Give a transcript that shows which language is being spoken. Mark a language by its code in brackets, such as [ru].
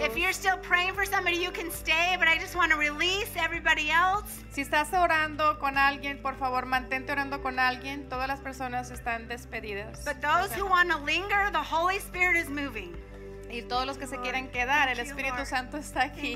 [en] If you're still praying for somebody, you can stay, but I just want to release everybody else. [es] Si estás orando con alguien, por favor, mantente orando con alguien. Todas las personas están despedidas. [en] But those who want to linger, the Holy Spirit is moving. [es] Y todos los que se quieren quedar, el Espíritu Santo está aquí.